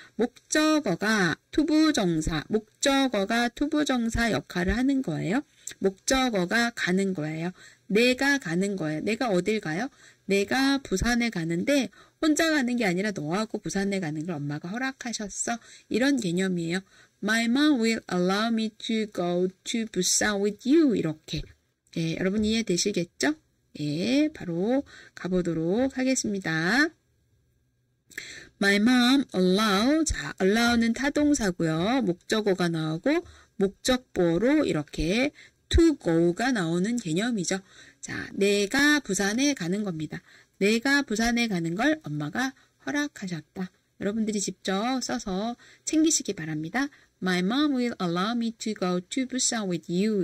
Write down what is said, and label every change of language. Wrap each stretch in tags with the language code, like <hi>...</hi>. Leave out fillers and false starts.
<ko>목적어가 투부정사 역할을 하는 거예요. 목적어가 가는 거예요. 내가 가는 거예요. 내가 어딜 가요? 내가 부산에 가는데 혼자 가는 게 아니라 너하고 부산에 가는 걸 엄마가 허락하셨어. 이런 개념이에요.</ko> <en>My mom will allow me to go to Busan with you.</en> <ko>이렇게. 예, 여러분 이해되시겠죠? 예, 바로 가보도록 하겠습니다.</ko> <en>My mom allow.</en> <ko>자, allow는 타동사고요. 목적어가 나오고 목적보로 이렇게 to go가 나오는 개념이죠. 자, 내가 부산에 가는 겁니다. 내가 부산에 가는 걸 엄마가 허락하셨다. 여러분들이 직접 써서 챙기시기 바랍니다.</ko> <en>My mom will allow me to go to Busan with you.</en>